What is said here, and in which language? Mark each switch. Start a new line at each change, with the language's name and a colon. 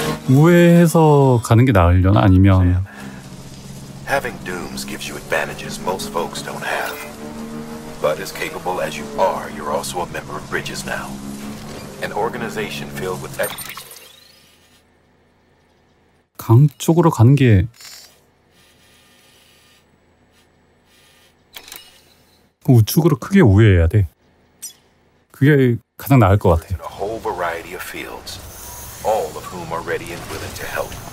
Korean: 우회해서 가는 게 나으려나? 아니면
English: Having dooms gives you advantages most folks don't have. But as capable as you are, you're also a member of Bridges now. An organization filled with every
Korean: 강 쪽으로 가는 게 우측으로 크게 우회해야 돼. 그게 가장 나을 것 같아요.
English: A whole variety of fields, all of whom are ready and willing to help.